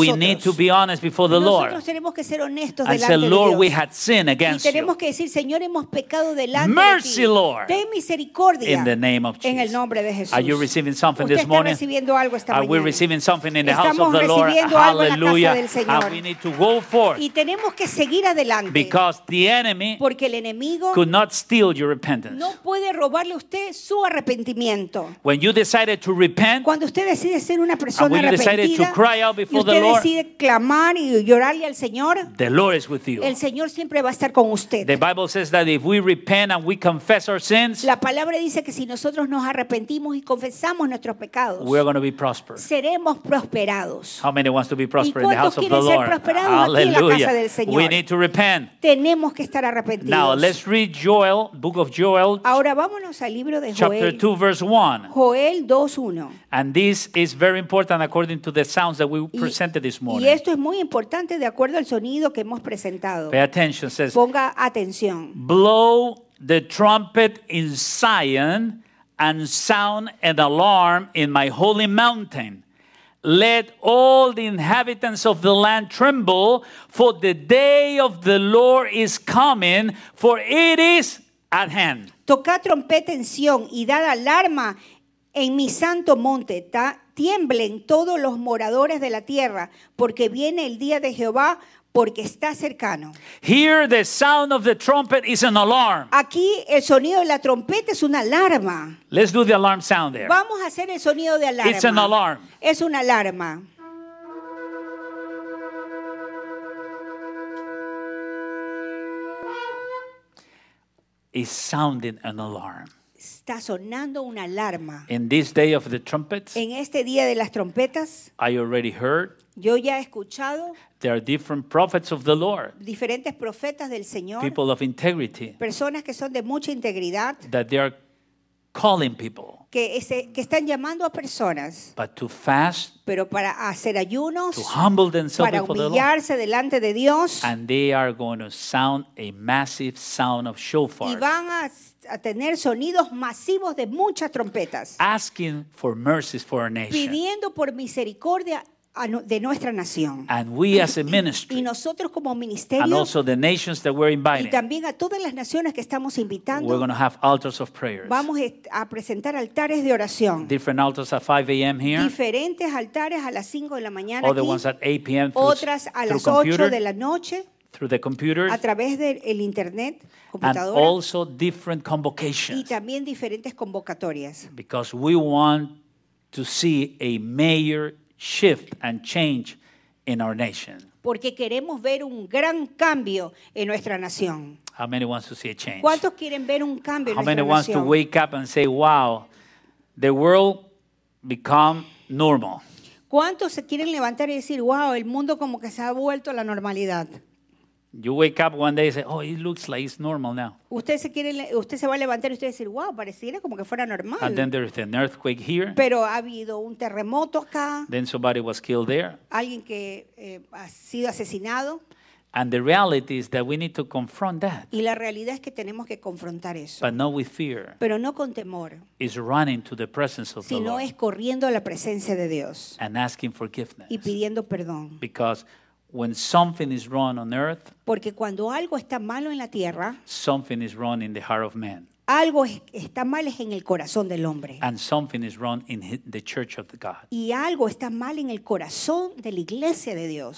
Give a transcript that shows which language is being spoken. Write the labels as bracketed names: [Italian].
[English] We need to be honest before the Lord. [Spanish] Nosotros tenemos que ser honestos delante de Dios. [English] And say, Lord, we had sinned against you. [Spanish] Y tenemos que decir, Señor, hemos pecado delante. [English] Mercy, Lord. [Spanish] Ten misericordia. [English] In the name of Jesus. [Spanish] En el nombre de Jesús. [English] Are you receiving something this morning? [Spanish] Recibiendo algo esta mañana. [English] Are we receiving something in the house of the Lord? Hallelujah. And we need to go forth. [Spanish] Y tenemos que seguir adelante. [English] Because the enemy, [Spanish] porque el enemigo, [English] could not steal your repentance. [Spanish] No puede robarle a usted su arrepentimiento. [English] When you decided to repent, [Spanish] cuando usted decide ser una persona [English] and when you decided to cry out before [Spanish] y usted [English] the Lord, [Spanish] decide clamar y llorarle al Señor, [English] the Lord is with you. [Spanish] El Señor siempre va a estar con usted. [English] The Bible says that if we repent and we confess our sins, [Spanish] la palabra dice que si nosotros nos arrepentimos y confesamos nuestros pecados, [English] we are going to be prosperous. [Spanish] Seremos prosperados. [English] How many wants to be prosperous in the house of the Lord? Hallelujah. We need to repent. [Spanish] Tenemos que estar arrepentidos. [English] Now let's read Joel, book of Joel. [Spanish] Ahora vámonos al libro de Joel. [English] Chapter 2, verse 1. [Spanish] Joel 2:1. [English] And this is very important according to the sounds that we presented this morning. [Spanish] Y esto es muy importante de acuerdo al sonido que hemos presentado. [English] Pay attention, says. [Spanish] Ponga atención. [English] Blow the trumpet in Zion and sound an alarm in my holy mountain. Let all the inhabitants of the land tremble, for the day of the Lord is coming, for it is at hand. [Spanish] Toca trompeta en Sion y da alarma en mi santo monte. Tiemblen todos los moradores de la tierra, porque viene el día de Jehová. porque está cercano. [English] Here the sound of the trumpet is an alarm. [Spanish] Aquí el sonido de la trompeta es una alarma. [English] Let's do the alarm sound there. [Spanish] Vamos a hacer el sonido de alarma. [English] It's an alarm. [Spanish] Es una alarma. [English] Is sounding an alarm. [Spanish] Está sonando una alarma. [English] In this day of the trumpets. [Spanish] En este día de las trompetas. [English] I already heard. [Spanish] Yo ya he escuchado. [English] There are different prophets of the Lord. [Spanish] Diferentes profetas del Señor. [English] People of integrity. [Spanish] Personas que son de mucha integridad. [English] That they are calling people. [Spanish] Que están llamando a personas. [English] But to fast. [Spanish] Pero para hacer ayunos. [English] To humble themselves before the Lord. [Spanish] Para humillarse delante de Dios. [English] And they are going to sound a massive sound of shofar. [Spanish] Y van a tener sonidos masivos de muchas trompetas. [English] Asking for mercies for our nation. [Spanish] Pidiendo por misericordia de nuestra nación. [English] And we as a ministry. [Spanish] Y nosotros como ministerio. [English] And also the nations that we're inviting. [Spanish] Y también a todas las naciones que estamos invitando. [English] We're going to have altars of prayers. [Spanish] Vamos a presentar altares de oración. [English] Different altars at 5 a.m. here. [Spanish] Diferentes altares a las 5 de la mañana. [English] Other [Spanish] aquí. [English] Ones at 8 p.m. [Spanish] Otras a las 8 [English] computer. [Spanish] De la noche. [English] Through the computers. [Spanish] A través del internet. [English] And also different convocations. [Spanish] Y también diferentes convocatorias. [English] Because we want to see a major shift and change in our nation. [Spanish] Porque queremos ver un gran cambio en nuestra nación. [English] How many wants to see a change? [Spanish] ¿Cuántos quieren ver un cambio en [English] How many [Spanish] nuestra [English] wants [Spanish] nación? [English] To wake up and say, "Wow, the world become normal"? [Spanish] ¿Cuántos se quieren levantar y decir, "Wow, el mundo como que se ha vuelto a la normalidad"? [English] You wake up one day and say, "Oh, it looks like it's normal now." [Spanish] Usted se va a levantar y usted va a decir, "Wow, pareciera como que fuera normal." [English] And then there's an earthquake here. [Spanish] Pero ha habido un terremoto acá. [English] Then somebody was killed there. [Spanish] Alguien que ha sido asesinado. [English] And the reality is that we need to confront that. [Spanish] Y la realidad es que tenemos que confrontar eso. [English] But not with fear. [Spanish] Pero no con temor. [English] It's running to the presence of the Lord. [Spanish] Sino es corriendo a la presencia de Dios. [English] And asking forgiveness. [Spanish] Y pidiendo perdón. [English] Because when something is wrong on earth, [Spanish] porque cuando algo está malo en la tierra, [English] something is wrong in the heart of man. [Spanish] Algo está mal en el corazón del hombre. [English] And something is wrong in the church of God. [Spanish] Y algo está mal en el corazón de la iglesia de Dios.